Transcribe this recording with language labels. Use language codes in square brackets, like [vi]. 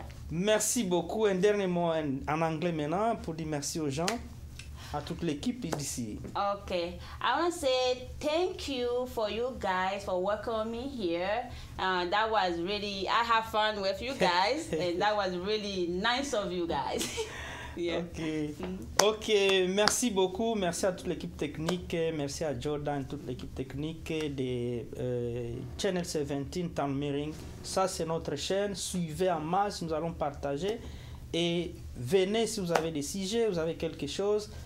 [fr] Merci beaucoup, un dernier mot en anglais maintenant pour dire merci aux gens. À toute l'équipe ici. [en] Okay, I want to say thank you for you guys for welcoming me here. That was really, I have fun with you guys, and that was really nice of you guys. [fr] Okay, merci beaucoup, merci à toute l'équipe technique, merci à Jordan, toute l'équipe technique de Channel 17 Town Meeting. Ça c'est notre chaîne, suivez en masse, nous allons partager et venez si vous avez des sujets, vous avez quelque chose.